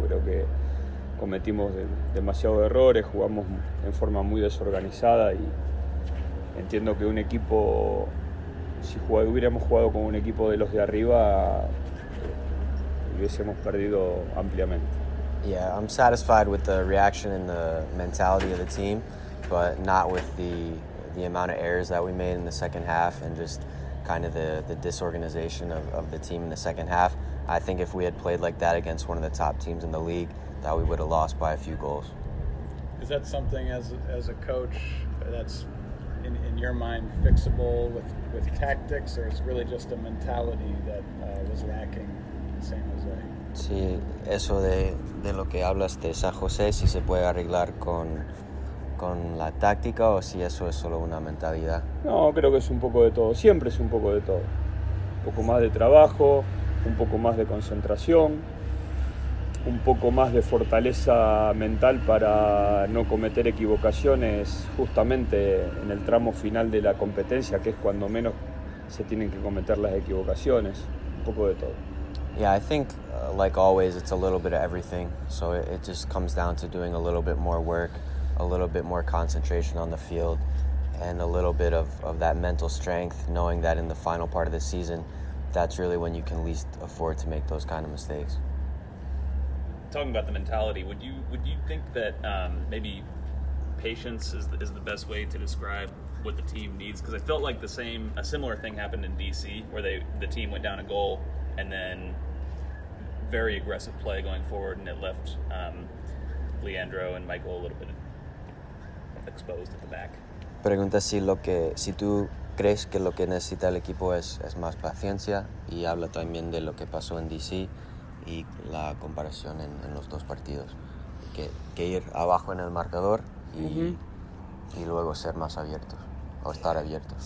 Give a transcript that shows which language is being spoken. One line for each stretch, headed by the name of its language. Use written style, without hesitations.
Spanish: Creo que cometimos demasiados errores, jugamos en forma muy desorganizada y entiendo que un equipo, si hubiéramos jugado con un equipo de los de arriba, hubiésemos perdido ampliamente.
English: Yeah, I'm satisfied with the reaction and the mentality of the team, but not with the amount of errors that we made in the second half and just kind of the disorganization of the team in the second half. I think if we had played like that against one of the top teams in the league, that we would have lost by a few goals. Is that something as a coach that's in your mind fixable with tactics, or is it really just a mentality that was lacking? San Jose.
Spanish: Sí, eso de lo que hablas de San José, si se puede arreglar con la táctica o si eso es solo una mentalidad. No, creo que es un poco de todo. Siempre es un poco de todo. Un poco más de trabajo, un poco más de concentración, un poco más de fortaleza mental para no cometer equivocaciones justamente en el tramo final de la competencia, que es cuando menos se tienen que cometer las equivocaciones. Un poco de todo.
English: Yeah, I think, like always, it's a little bit of everything. So it just comes down to doing a little bit more work, a little bit more concentration on the field, and a little bit of that mental strength, knowing that in the final part of the season, that's really when you can least afford to make those kind of mistakes. Talking about the mentality, would you think that maybe patience is the best way to describe what the team needs? Because I felt like a similar thing happened in DC, where the team went down a goal and then very aggressive play going forward, and it left Leandro and Michael a little bit exposed at the back.
Spanish: Pregunta si tú crees que lo que necesita el equipo es más paciencia, y habla también de lo que pasó en DC. Y la comparación en los dos partidos, que ir abajo en el marcador y, uh-huh. y luego ser más abiertos, o estar abiertos.